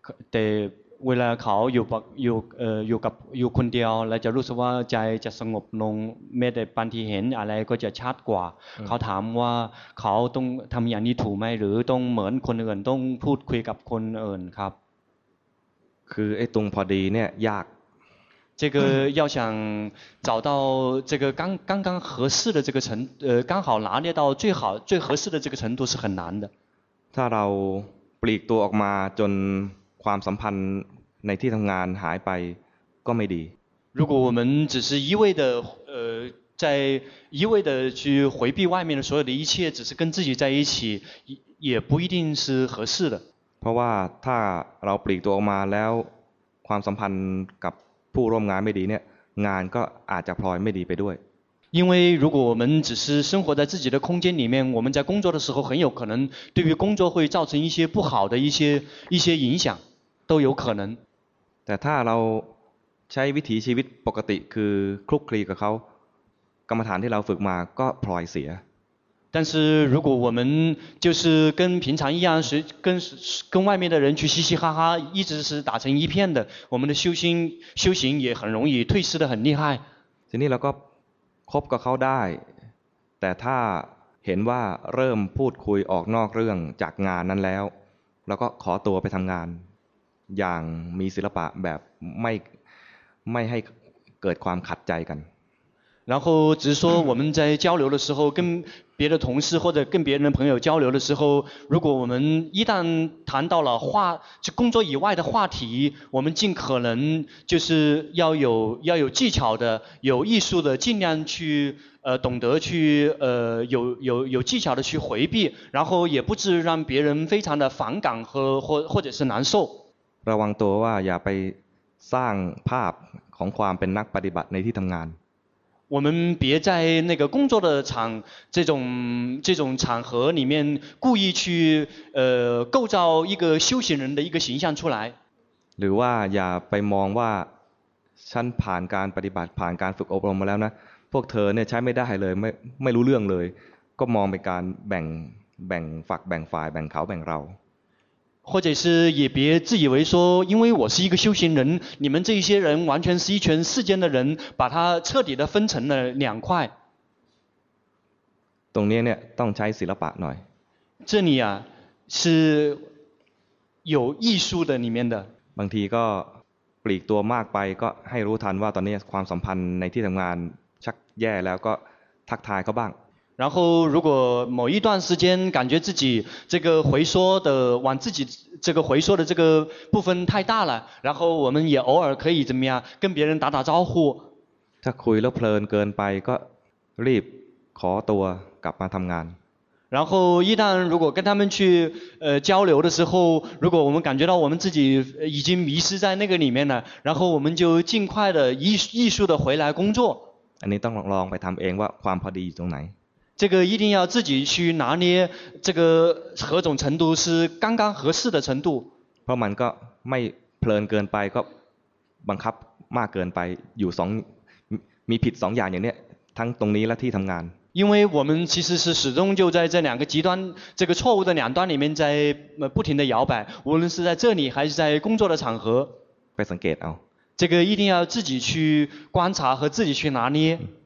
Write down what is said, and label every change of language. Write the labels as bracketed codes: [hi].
[th] แต่เวลาเขาอยู่กับอยู่คนเดียวแล้วจะรู้สึกว่าใจจะสงบลงไม่ได้บางทีเห็นอะไรก็จะชัดกว่าเขาถามว่าเขาต้องทำอย่างนี้ถูกไหมหรือต้องเหมือนคนอื่นต้องพูดคุยกับคนอื่นครับ คือไอ้ตรงพอดีเนี่ยยาก [zh] 这个要想找到这个刚刚合适的这个程刚好拿捏到最好最合适的这个程度是很难的 [th] ถ้าเราปลีกตัวออกมาจนความสัมพันธ์ในที่ทำงานหายไปก็ไม่ดี [zh] 如果我们只是一味的在一味的去回避外面的所有的一切只是跟自己在一起也不一定是合适的 [th] เพราะว่าถ้าเราปลีกตัวออกมาแล้วความสัมพันธ์กับผู้ร่วมงานไม่ดีเนี่ยงานก็อาจจะพลอยไม่ดีไปด้วย [zh] 因为如果我们只是生活在自己的空间里面，我们在工作的时候很有可能对于工作会造成一些不好的一些影响，都有可能。 [th] แต่ถ้าเราใช้วิถีชีวิตปกติคือคลุกคลีกับเขากรรมฐานที่เราฝึกมาก็พลอยเสีย [zh] 但是如果我们就是跟平常一样，跟外面的人去嘻嘻哈哈，一直是打成一片的，我们的修行也很容易退失的很厉害。 [th] ทีนี้เราก็คบกับเขาได้แต่ถ้าเห็นว่าเริ่มพูดคุยออกนอกเรื่องจากงานนั้นแล้วแล้วก็ขอตัวไปทำงานอย่างมีศิลปะแบบไม่ให้เกิดความขัดใจกัน [zh] 然后只是说我们在交流的时候跟别的同事或者跟别人的朋友交流的时候如果我们一旦谈到了话就工作以外的话题我们尽可能就是要有技巧的有艺术的尽量去懂得去有技巧的去回避然后也不至让别人非常的反感和或者是难受 [th] ระวังตัวว่าอย่าไปสร้างภาพของความเป็นนักปฏิบัติในที่ทำงาน [zh] 我们别在那个工作的场这种场合里面故意去构造一个修行人的一个形象出来 [th] หรือว่าอย่าไปมองว่าฉันผ่านการปฏิบัติผ่านการฝึกอบรมมาแล้วนะพวกเธอเนี่ยใช้ไม่ได้เลยไม่รู้เรื่องเลยก็มองเป็นการแบ่งฝักแบ่งฝ่ายแบ่งเขาแบ่งเรา [zh] 或者是也别自以为说因为我是一个修行人，你们这些人完全是一群世间的人，把它彻底的分成了两块。 [th] ตรงนี้เนี่ยต้องใช้ศิลปะหน่อย [zh] 这里啊是有艺术的里面的。 [th] บางทีก็ปลีกตัวมากไปก็ให้รู้ทันว่าตอนนี้ความสัมพันธ์ในที่ทำงานชักแย่แล้วก็ทักทายเขาบ้าง [zh] 然后如果某一段时间感觉自己这个回缩的往自己这个回缩的这个部分太大了，然后我们也偶尔可以怎么样跟别人打打招呼。 [th] ถ้าคุยแล้วเพลินเกินไปก็รีบขอตัวกลับมาทำงาน [zh] 然后一旦如果跟他们去交流的时候，如果我们感觉到我们自己已经迷失在那个里面了，然后我们就尽快的艺术的回来工作。 [th] อันนี้ต้องลองไปทำเองว่าความพอดีอยู่ตรงไหน [zh] 这个一定要自己去拿捏，这个何种程度是刚刚合适的程度。 [th] เพราะมันก็ไม่เพลินเกินไปก็บังคับมากเกินไปอยู่สองมีผิดสองอย่างอย่างเนี้ยทั้งตรงนี้และที่ทำงาน [zh] 因为我们其实是始终就在这两个极端，这个错误的两端里面在不停的摇摆，无论是在这里还是在工作的场合。 [th] ไปสังเกตเอา [zh] 这个一定要自己去观察和自己去拿捏。